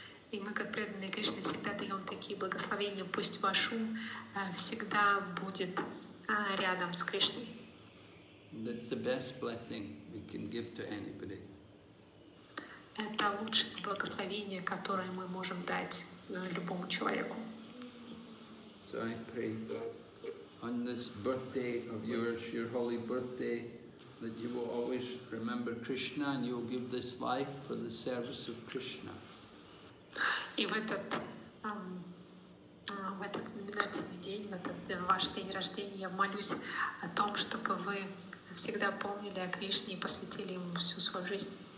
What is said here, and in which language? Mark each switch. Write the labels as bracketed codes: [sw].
[ru] И мы, как преданные Кришне, всегда даем такие благословения. Пусть ваш ум всегда будет рядом с Кришной. [en] That's the best blessing we can give to anybody. [ru] Это лучшее благословение, которое мы можем дать любому человеку. [en] So I pray on this birthday of yours, your holy birthday, that you will always remember Krishna and you will give this life for the service of Krishna. [ru] И в этот знаменательный день, в этот ваш день рождения, я молюсь о том, чтобы вы всегда помнили о Кришне и посвятили ему всю свою жизнь.